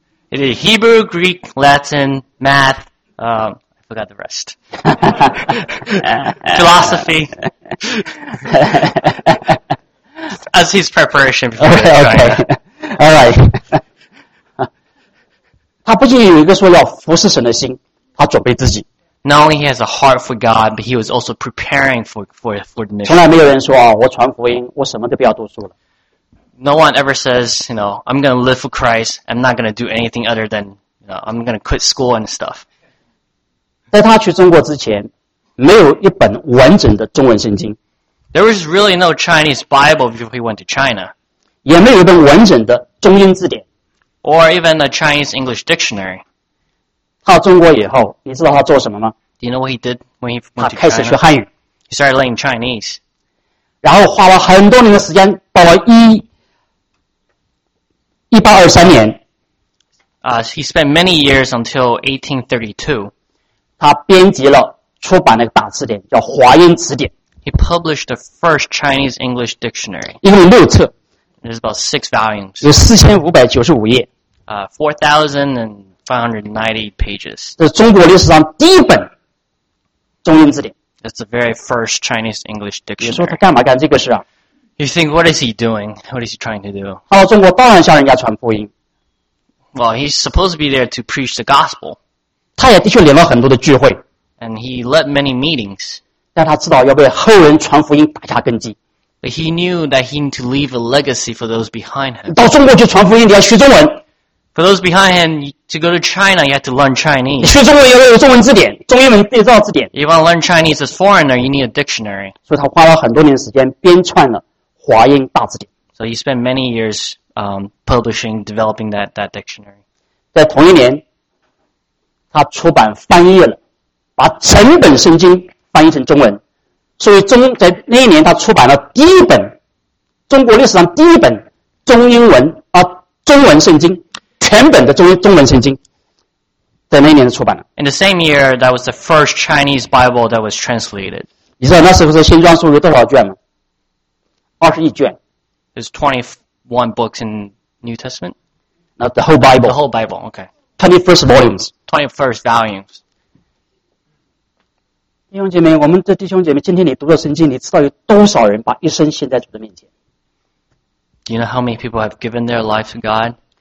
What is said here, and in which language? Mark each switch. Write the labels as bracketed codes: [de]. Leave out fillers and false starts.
[en] It is Hebrew, Greek, Latin, math. I forgot the rest. Philosophy. As his preparation for China. Okay. All right. [zh] 他不仅有一个说要服侍神的心，他准备自己。 [en] Not only he has a heart for God, but he was also preparing for the mission. [zh] 从来没有人说啊，我传福音，我什么都不要读书了。 [en] No one ever says, you know, I'm going to live for Christ. I'm not going to do anything other than, you know, I'm going to quit school and stuff. [zh] 在他去中国之前，没有一本完整的中文圣经。 [en] There was really no Chinese Bible before he went to China. [zh] 也没有一本完整的中英字典。 [en] Or even a Chinese English dictionary. [zh] 到中国以后，你知道他做什么吗？ [en] Do you know what he did when he went to China? [zh] 他开始学汉语。 [en] He started learning Chinese. [zh] 然后花了很多年的时间，到了1823年。 [en] He spent many years until 1832. [zh] 他编辑了出版了一个大词典，叫《华英词典》。 [en] He published the first Chinese English dictionary. [zh] 一共六册。 [en] It is about six volumes. [zh] 有4595页。 [en] 4,590 pages. [zh] 这是中国历史上第一本中英字典。 [en] That's the very first Chinese English dictionary. [zh] 你说他干嘛干这个事啊？ [en] You think, what is he doing? What is he trying to do? [zh] 他到中国当然向人家传福音。 [en] Well, he's supposed to be there to preach the gospel. [zh] 他也的确领了很多的聚会。 [en] And he led many meetings. [zh] 但他知道要为后人传福音打下根基。 [en] But he knew that he needed to leave a legacy for those behind him. [zh] 到中国去传福音，你要学中文。 [en] For those behind him, to go to China, you have to learn Chinese. [zh] 你学中文也要有中文字典，中英文对照字典。 [en] If you want to learn Chinese as a foreigner, you need a dictionary. [zh] 所以他花了很多年的时间编撰了华英大字典。 [en] So he spent many years, publishing, developing that dictionary. [zh] 在同一年，他出版翻译了，把整本圣经翻译成中文。所以在那一年他出版了第一本中国历史上第一本中英文啊中文圣经全本的中文圣经在那一年出版了。 [en] In the same year, that was the first Chinese Bible that was translated. [zh] 你知道那时候的新装书有多少卷吗？ 21卷。 [en] There's 21 books in New Testament? Not the whole Bible. The whole Bible, okay. 21st volumes. 21st volumes. [zh] 弟兄姐妹，我们的弟兄姐妹，今天你读了圣经，你知道有多少人把一生献在主的面前 [en] ？Do you know how many people have given their life to God？